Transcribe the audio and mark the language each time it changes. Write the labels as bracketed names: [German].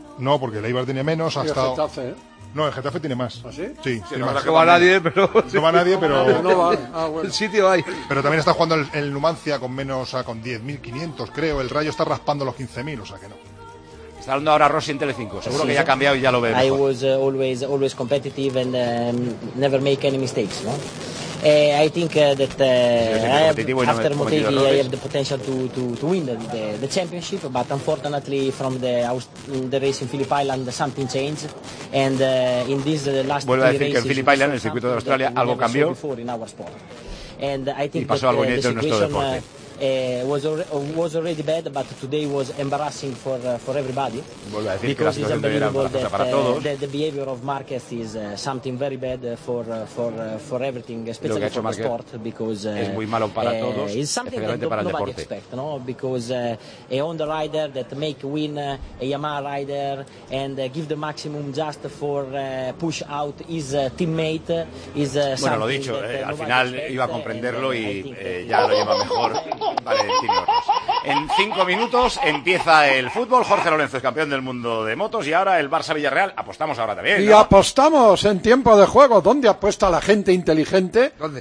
[Spanish] No, porque el Eibar tiene menos, ha estado... El Getafe, No, el Getafe tiene más. ¿Ah, sí? Sí, no, no va nadie, pero... No va nadie, pero... No va, bueno. El sitio hay. Pero también está jugando el Numancia con menos, o sea, con 10.500, creo. El Rayo está raspando los 15.000, o sea que no. Está hablando ahora Rossi en Telecinco. Seguro que ya ha cambiado y ya lo ve. [English] I was always competitive and never make any mistakes, no? I think that I have the potential to win the championship, but unfortunately from the race in Phillip Island something changed and in this last [Spanish] vuelvo a decir que en Phillip Island, el circuito de Australia, algo cambió. [English] And I think [Spanish] y pasó algo inédito en nuestro deporte. [English] Was already bad, but today was embarrassing for everybody. [Spanish] Vuelvo a decir que la situación de hoy era embarazosa para todos. [English] The behavior of Marquez is something very bad for everything, especially for the sport, because [Spanish] es muy malo para todos, [English] is something that [Spanish] para el deporte. [English] Expect, no? Because a Honda rider that make win a Yamaha rider and give the maximum just for push out his teammate is something. [Spanish] Bueno, lo dicho, al final [English] expect, [Spanish] iba a comprenderlo y ya lo lleva mejor. Vale, en 5 minutos empieza el fútbol. Jorge Lorenzo es campeón del mundo de motos y ahora el Barça-Villarreal. Apostamos ahora también, ¿no? Y apostamos en tiempo de juego. ¿Dónde apuesta la gente inteligente? ¿Dónde?